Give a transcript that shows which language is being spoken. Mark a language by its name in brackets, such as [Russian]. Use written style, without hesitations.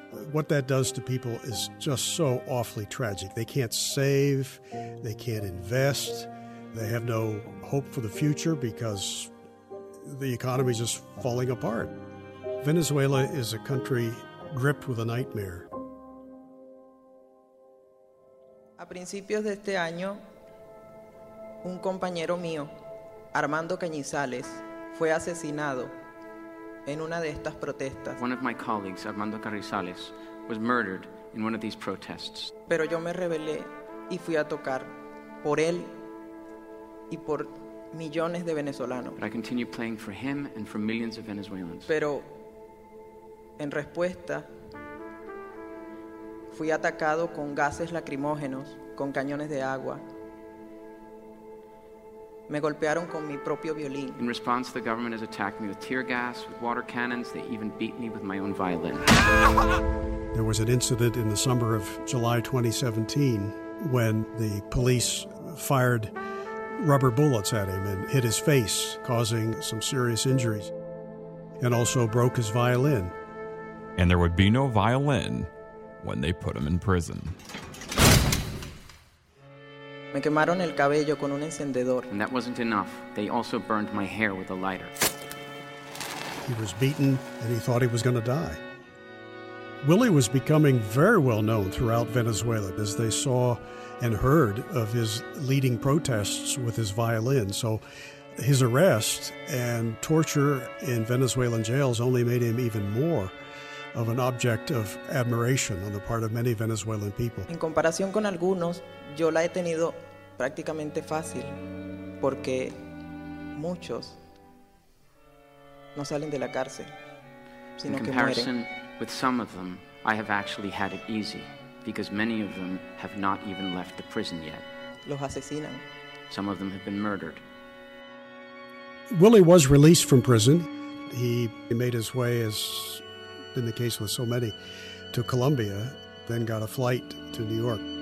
[English] What that does to people is just so awfully tragic. They can't save, they can't invest, they have no hope for the future because the economy is just falling apart. Venezuela is a country gripped with a nightmare. [Spanish] A principios de este año, un compañero mío, Armando Cañizales, fue asesinado en una de estas protestas. [English] One of my colleagues, Armando Carrizales, was murdered in one of these protests. [Spanish] Pero yo me rebelé y fui a tocar por él y por millones de venezolanos. [English] But I continued playing for him and for millions of Venezuelans. [Spanish] Pero en respuesta fui atacado con gases lacrimógenos, con cañones de agua. Me golpearon con mi propio violín. [English] In response, the government has attacked me with tear gas, with water cannons. They even beat me with my own violin. There was an incident in the summer of July 2017 when the police fired rubber bullets at him and hit his face, causing some serious injuries, and also broke his violin. And there would be no violin when they put him in prison. [Spanish] Me quemaron el cabello con un encendedor. [English] And that wasn't enough. They also burned my hair with a lighter. He was beaten, and he thought he was going to die. Wooly was becoming very well known throughout Venezuela as they saw and heard of his leading protests with his violin. So his arrest and torture in Venezuelan jails only made him even more of an object of admiration on the part of many Venezuelan people. [Spanish] En comparación con algunos, yo la he tenido prácticamente fácil. porque muchos no salen de la cárcel, sino que mueren. [English] In comparison with some of them, I have actually had it easy, because many of them have not even left the prison yet. [Spanish] Los asesinan. [English] Some of them have been murdered. Willie was released from prison. He made his way, as been the case with so many, to Colombia, then got a flight to New York.